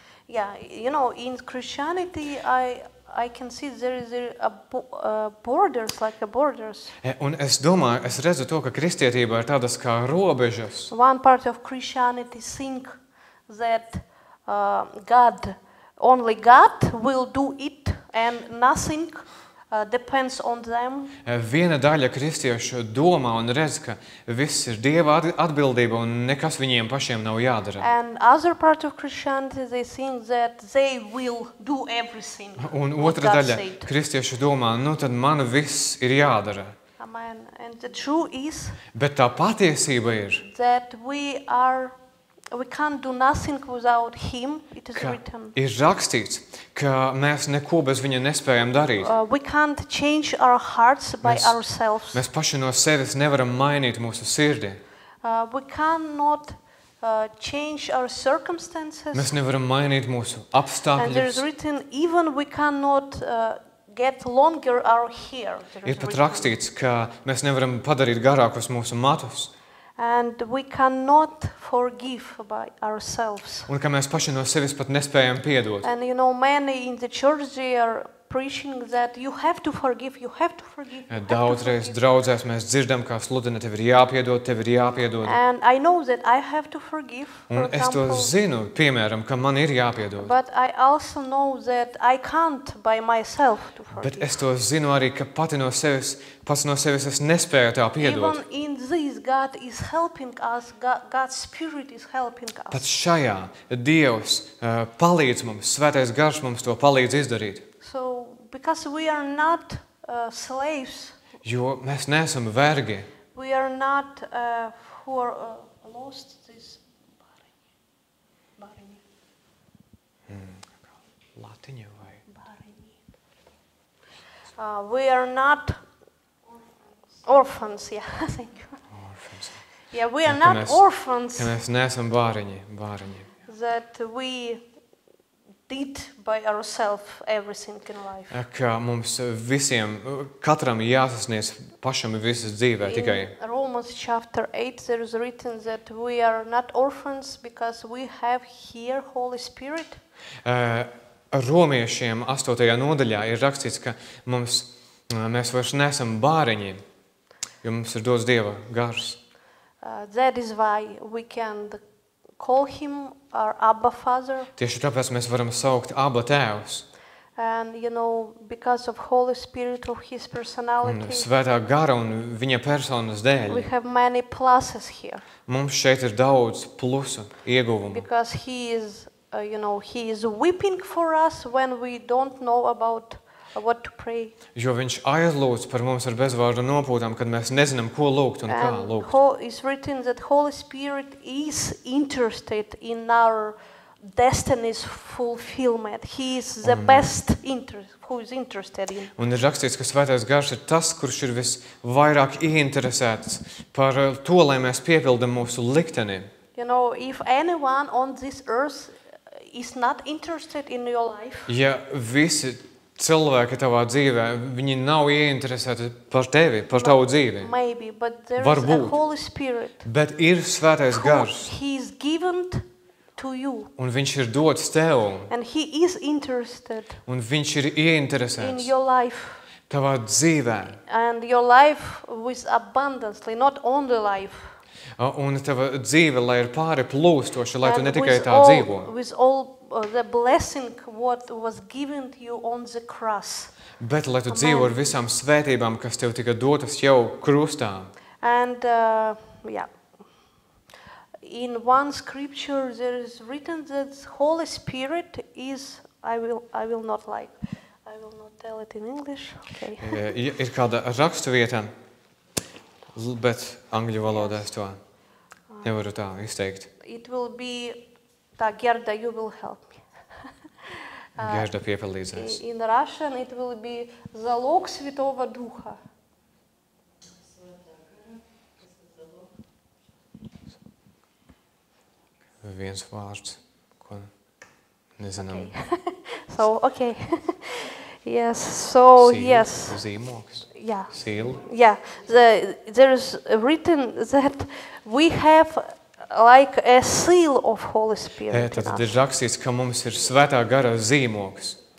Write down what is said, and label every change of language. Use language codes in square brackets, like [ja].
[en] Yeah, you know, in Christianity I can see there is borders like a borders. [lv] Un es domāju, es redzu to, ka kristietība ir tādas kā robežas. [en] One part of Christianity think that God, only God will do it and nothing depends on them. [lv] Viena daļa kristiešu domā un redz, ka viss ir Dieva atbildība un nekas viņiem pašiem nav jādara. [en] And other part of Christianity they think that they will do everything. [lv] Un otra daļa kristiešu domā, nu tad man viss ir jādara. [en] Amen. And the truth is, [lv] bet tā patiesība ir, [en] that we can't do nothing without him, it is written. [lv] Ir rakstīts, ka mēs neko bez viņa nespējam darīt. [en] We can't change our hearts by ourselves. [lv] Mēs paši no sevis nevaram mainīt mūsu sirdi. [en] We cannot change our circumstances. [lv] Mēs nevaram mainīt mūsu apstākļus. [en] And there is written, even we cannot get longer our hair. [lv] Ir pat rakstīts, ka mēs nevaram padarīt garākus mūsu matus. [en] And we cannot forgive by ourselves. [lv] Un ka mēs paši no sevis pat nespējam piedot. [en] And you know, many in the church are preaching that you have to forgive, you have to forgive. [lv] Daudzreiz draudzēs mēs dzirdam, kā sludina, tev ir jāpiedot, tev ir jāpiedot. [en] And I know that I have to forgive. [lv] Un es to zinu, piemēram, ka man ir jāpiedot. [en] But I also know that I can't by myself to forgive. [lv] Bet es to zinu arī, ka pati no sevis, pats no sevis es nespēju tā piedot. [en] Even in this God is helping us, God's spirit is helping us. [lv] Pat šajā Dievs palīdz mums, Svētais Garš mums to palīdz izdarīt. [en] So because we are not slaves. [lv] Jo mēs neesam vergi. [en] We are not who are lost this bariņi. [lv] Latiņu vai bariņi. [en] We are not orphans, yeah. Thank you. Orphans. Yeah, we are not orphans. [lv] Mēs neesam bariņi. [en] That we did by ourselves everything in life. [lv] Ka mums visiem, katram jāsasniec pašam visas dzīvē tikai. [en] In Romans chapter 8 there is written that we are not orphans because we have here Holy Spirit. [lv] Romiešiem 8. Nodaļā ir rakstīts, ka mums mēs vairs neesam bāriņi, jo mums ir dots Dieva gars. [en] That is why we can call him our Abba Father. [lv] Tieši tāpēc mēs varam saukt Abba Tēvs. [en] And you know, because of Holy Spirit, of his personality. [lv] Un Svētā Gara un viņa personas dēļ. [en] We have many pluses here. [lv] Mums šeit ir daudz plusu, ieguvumu. [en] Because he is, you know, he is weeping for us when we don't know about what to pray. [lv] Jo viņš aizlūdz par mums ar bezvārdu nopūtām, kad mēs nezinām, ko lūgt un [en] and [lv] kā lūgt. [en] It's written that Holy Spirit is interested in our destiny's fulfillment. He is the best interest, who is interested in. [lv] Un ir rakstīts, ka Svētais Garš ir tas, kurš ir visvairāk ieinteresēts par to, lai mēs piepildam mūsu likteni. [en] You know, if anyone on this earth is not interested in your life. [lv] Ja visi cilvēki tavā dzīvē, viņi nav ieinteresēti par tevi, par tavu dzīvi. [en] Maybe, but there [lv] varbūt, [en] is a Holy Spirit. [lv] Bet ir Svētais Gars. [en] He is given to you. [lv] Un viņš ir dots tev. [en] And he is interested. [lv] Un viņš ir ieinteresēts. [en] In your life. [lv] Tavā dzīvē. [en] And your life with abundantly, not only life. [lv] Un tava dzīve, lai ir pāri plūstoši, lai [en] and [lv] tu ne tikai tā dzīvo. [en] The blessing what was given to you on the cross. [lv] Bet lai tu dzīvo ar visām svētībām, kas tev tika dotas jau krustā. [en] And yeah. In one scripture there is written that Holy Spirit is I will not tell it in English. Okay. [lv] Ir kāda rakstuvieta, bet angļu valodā es to nevaru tā izteikt. [en] It will be [lv] tā, [en] Gerda, you will help me. [lv] Gerda piepildīsies. [en] In Russian it will be [ru] zalog svetova duha. [lv] Viens vārds, ko nezinām. [en] So, okay. Yes, so, yes. [lv] Zīmoks. [en] Yeah. Seal. Yeah. There is written that we have like a seal of Holy Spirit. [lv] Tātad ir rakstīts, ka mums ir Svētā Gara zīmogs.